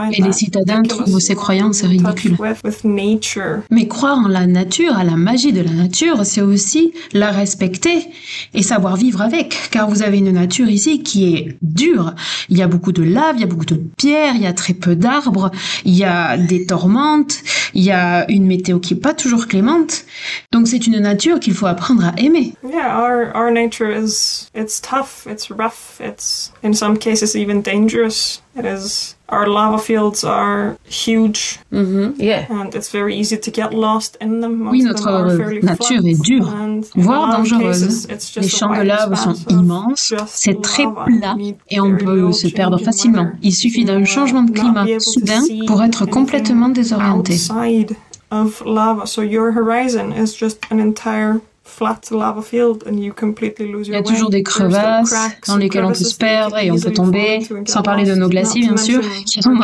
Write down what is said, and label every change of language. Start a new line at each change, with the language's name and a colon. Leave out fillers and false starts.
French: Et les citadins trouvent ces croyances ridicules. Mais croire en la nature, à la magie de la nature, c'est aussi la respecter et savoir vivre avec, car vous avez une nature ici qui est dure. Il y a beaucoup de lave, il y a beaucoup de pierres, il y a très peu d'arbres, il y a des tourmentes, il y a une météo qui n'est pas toujours clémente. Donc c'est une nature qu'il faut apprendre à aimer.
English: Our nature is, it's tough, it's rough, it's in some cases even dangerous. It is. Our lava fields are huge. And it's very easy to get lost in them.
French: Oui, notre nature est dure, voire dangereuse. Les champs de lave sont immenses, c'est très plat et on peut se perdre facilement. Il suffit d'un changement de climat soudain pour être complètement désorienté.
English: Outside of lava, so your horizon is just an entire flat lava field and you completely lose your way.
French: Il y a toujours des crevasses dans lesquelles on peut se perdre et on peut tomber, sans parler de nos glaciers bien sûr, qui sont